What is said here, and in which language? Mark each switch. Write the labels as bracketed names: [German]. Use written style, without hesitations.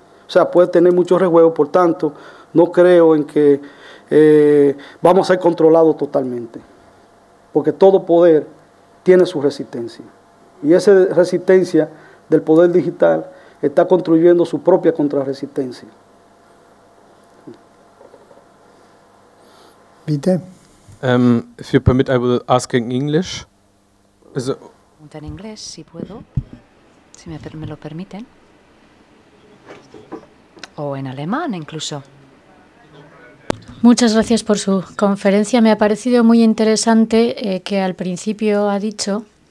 [Spanish] O sea, puede tener muchos rejuegos, por tanto, no creo en que vamos a ser controlados totalmente. Porque todo poder tiene su resistencia. Y esa resistencia del poder digital está construyendo su propia contrarresistencia. [German] Bitte. [English] If you permit, I will ask in English. [Spanish] En inglés, si puedo, si me lo permiten. O en alemán, incluso. Muchas gracias por su conferencia. Me ha parecido muy interesante que al principio ha dicho